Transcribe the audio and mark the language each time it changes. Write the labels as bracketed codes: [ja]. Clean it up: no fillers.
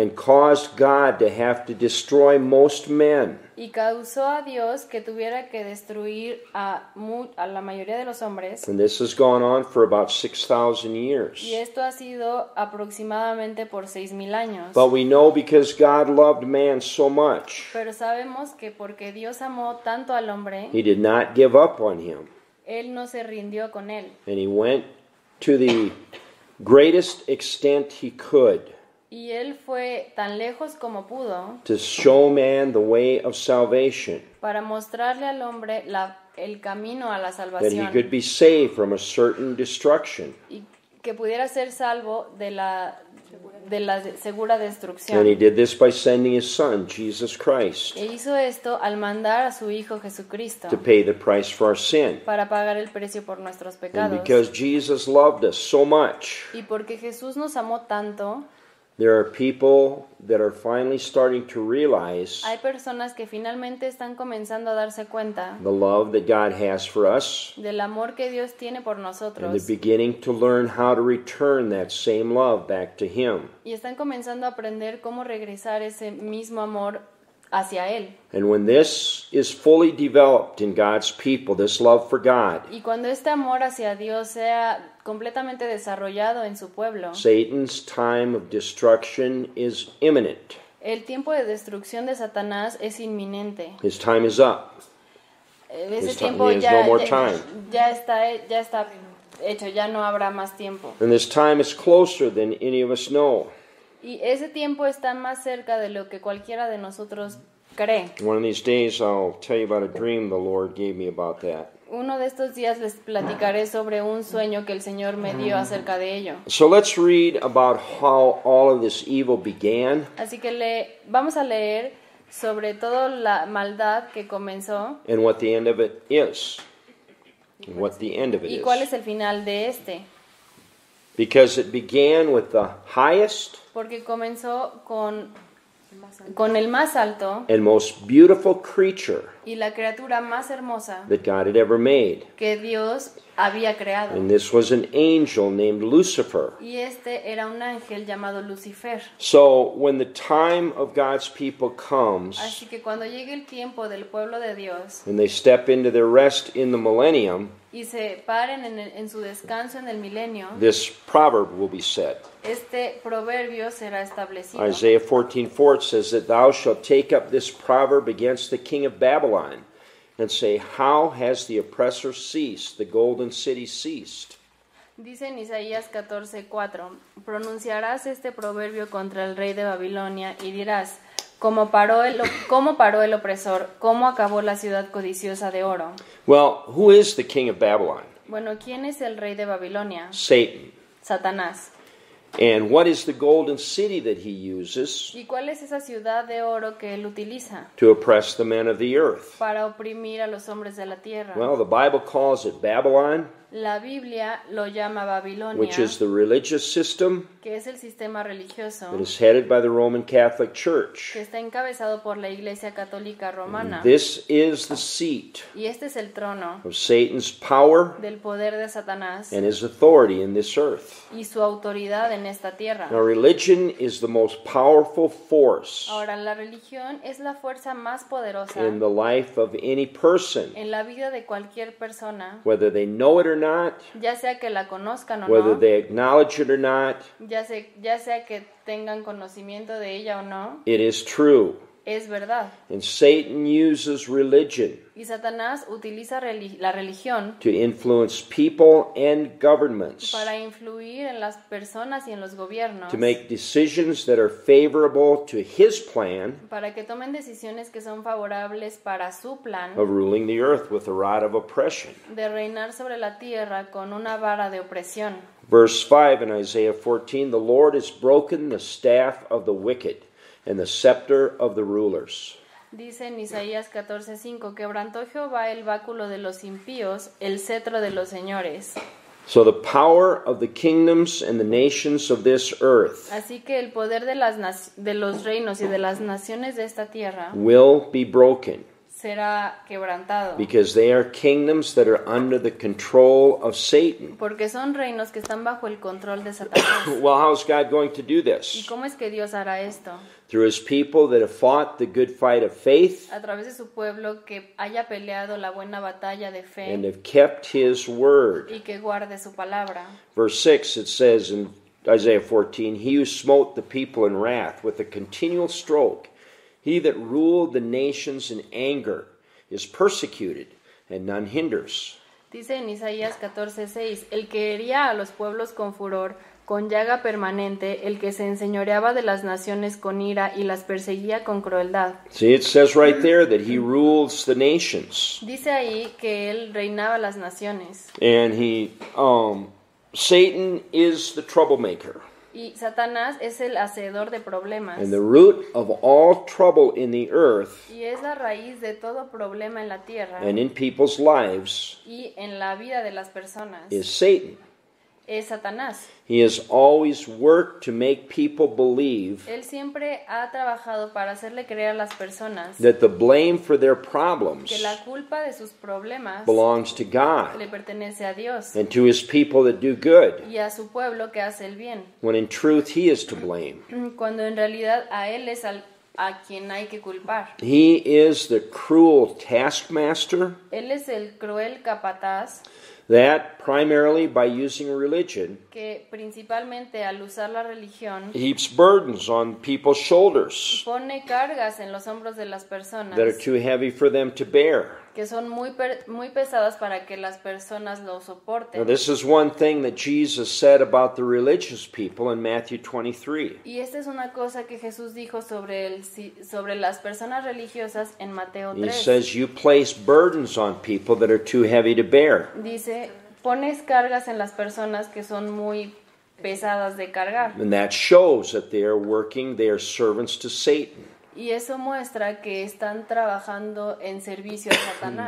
[en] And caused God to have to destroy most men. [es] Y causó a Dios que tuviera que destruir a la mayoría de los hombres. [en] And this has gone on for about 6,000 years. [es] Y esto ha sido aproximadamente por 6,000 años. [en] But we know because God loved man so much. [es] Pero sabemos que porque Dios amó tanto al hombre, [en] he did not give up on him. [es] Él no se rindió con él. [en] And he went to the greatest extent he could. [es] Y él fue tan lejos como pudo. [en] To show man the way of salvation. [es] Para mostrarle al hombre el camino a la salvación. [en] That he could be saved from a certain destruction. [es] Y que pudiera ser salvo de la segura destrucción. [en] And he did this by sending his son, Jesus Christ. [es] E hizo esto al mandar a su hijo Jesucristo. [en] To pay the price for our sin. [es] Para pagar el precio por nuestros pecados. [en] And because Jesus loved us so much. [es] Y porque Jesús nos amó tanto. [en] There are people that are finally starting to realize. [es] Hay personas que finalmente están comenzando a darse cuenta. [en] The love that God has for us. [es] Del amor que Dios tiene por nosotros. [en] And they're beginning to learn how to return that same love back to Him. [es] Y están comenzando a aprender cómo regresar ese mismo amor hacia Él. [en] And when this is fully developed in God's people, this love for God. [es] Y cuando este amor hacia Dios sea completamente desarrollado en su pueblo. [en] Satan's time of destruction is imminent. [es] El tiempo de destrucción de Satanás es inminente. [en] His time is up. [es] Ese tiempo ya, [en] no more time. [es] Ya está hecho, ya no habrá más tiempo. [en] And this time is closer than any of us know. [es] Y ese tiempo está más cerca de lo que cualquiera de nosotros cree. [en] One of these days I'll tell you about a dream the Lord gave me about that. [es] Uno de estos días les platicaré sobre un sueño que el Señor me dio acerca de ello. [en] So let's read about how all of this evil began. [es] Así que vamos a leer sobre toda la maldad que comenzó. [en] And what the end of it is. What the end of it is. [es] ¿Y cuál es el final de este? [en] Because it began with the highest. [es] Porque comenzó con el más alto [en] and most beautiful creature [es] y la criatura más hermosa [en] that God had ever made. [es] Que Dios había creado. [en] And this was an angel named Lucifer. [es] Y este era un ángel llamado Lucifer. [en] So when the time of God's people comes, [es] así que cuando llegue el tiempo del pueblo de Dios, [en] and they step into their rest in the millennium, [es] y se paren en su descanso en el milenio, [en] this proverb will be said. [es] Este proverbio será establecido. [en] Isaiah 14:4 says that thou shalt take up this proverb against the king of Babylon and say, how has the oppressor ceased, the golden city ceased? [es] Dice en Isaías 14:4, pronunciarás este proverbio contra el rey de Babilonia y dirás, ¿Cómo paró el opresor? ¿Cómo acabó la ciudad codiciosa de oro? [en] Well, who is the king of Babylon? [es] Bueno, ¿quién es el rey de Babilonia? [en] Satan. [es] Satanás. [en] And what is the golden city that he uses? [es] ¿Y cuál es esa ciudad de oro que él utiliza? [en] To oppress the men of the earth. [es] Para oprimir a los hombres de la tierra. [en] Well, the Bible calls it Babylon. [es] La Biblia lo llama Babilonia. [en] Which is the religious system. [es] Que es el sistema religioso. [en] It is headed by the Roman Catholic Church. [es] Que está encabezado por la Iglesia Católica Romana. [en] And this is the seat. [es] Y este es el trono. [en] Of Satan's power. [es] Del poder de Satanás. [en] And his authority in this earth. [es] Y su autoridad en esta tierra. [en] Now religion is the most powerful force. [es] Ahora la religión es la fuerza más poderosa. [en] In the life of any person. [es] En la vida de cualquier persona. [en] Whether they know it or not, [es] ya sea que la conozcan o [en] whether [es] no, [en] they acknowledge it or not, [es] ya sea que tengan conocimiento de ella o no, [en] it is true. [es] Es verdad. [en] And Satan uses religion, [es] y Satanás utiliza la religión, [en] to influence people and governments, [es] para influir en las personas y en los gobiernos, [en] to make decisions that are favorable to his plan, [es] para que tomen decisiones que son favorables para su plan, [en] of ruling the earth with a rod of oppression, [es] de reinar sobre la tierra con una vara de opresión. [en] Verse 5 in Isaiah 14, the Lord has broken the staff of the wicked and the scepter of the rulers. [es] Dice en Isaías 14:5, quebrantó Jehová el báculo de los impíos, el cetro de los señores. [en] So the power of the kingdoms and the nations of this earth. [es] Así que el poder de los reinos y de las naciones de esta tierra [en] will be broken. [es] Será quebrantado. [en] Because they are kingdoms that are under the control of Satan. [es] Porque son reinos que están bajo el control de Satanás. [en] Well, how is God going to do this? [es] ¿Y cómo es que Dios hará esto? [en] Through his people that have fought the good fight of faith. [es] A través de su pueblo que haya peleado la buena batalla de fe. [en] And have kept his word. [es] Y que guarde su palabra. [en] Verse 6, it says in Isaiah 14, he who smote the people in wrath with a continual stroke, he that ruled the nations in anger is persecuted and none hinders. [es] Dice en Isaías 14:6, el que hería a los pueblos con furor, con llaga permanente, el que se enseñoreaba de las naciones con ira y las perseguía con crueldad. [en] See, it says right there that he rules the nations. [es] Dice ahí que él reinaba las naciones. [en] And he Satan is the troublemaker. [es] Y Satanás es el hacedor de problemas. [en] And the root of all trouble in the earth. [es] Y es la raíz de todo problema en la tierra. [en] And in people's lives. [es] Y en la vida de las personas. [en] Is Satan. [es] Es Satanás. [en] He has always worked to make people believe. [es] Él siempre ha trabajado para hacerle creer a las personas. [en] That the blame for their problems. [es] Que la culpa de sus problemas. [en] Belongs to God. [es] Le pertenece a Dios. [en] And to his people that do good. [es] Y a su pueblo que hace el bien. [en] When in truth he is to blame. [es] Cuando en realidad a él es a quien hay que culpar. [en] He is the cruel taskmaster. [es] Él es el cruel capataz. [en] That primarily by using religion, [es] que principalmente al usar la religión, [en] heaps burdens on people's shoulders, [es] pone cargas en los hombros de las personas, [en] that are too heavy for them to bear, [es] que son muy muy pesadas para que las personas lo soporten. [en] Now, this is one thing that Jesus said about the religious people in Matthew 23. [es] Y esta es una cosa que Jesús dijo sobre las personas religiosas en Mateo 3. [en] He says you place burdens on people that are too heavy to bear. [es] Dice, pones cargas en las personas que son muy pesadas de cargar. [en] And that shows that they are working, they are servants to Satan. [es] Y eso muestra que están trabajando en servicio a Satanás.